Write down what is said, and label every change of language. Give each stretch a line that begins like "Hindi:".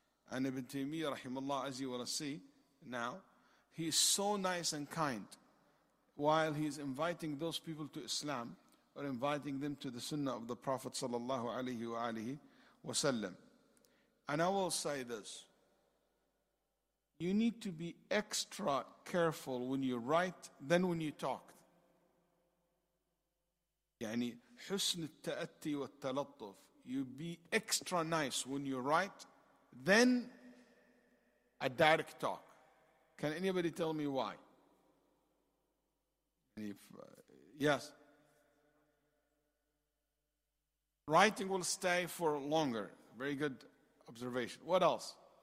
English: And Ibn Taymiyyah, rahimahullah, as you will see now, he is so nice and kind while he is inviting those people to Islam or inviting them to the sunnah of the Prophet sallallahu alayhi wa alihi wa sallam. And I will say this. You need to be extra careful when you write than when you talk.
Arabic: يعني حسن التأتي والتلطف.
English: You be extra nice when you write than a direct talk. Can anybody tell me why? Yes. Writing will stay for longer. Very good observation. What else?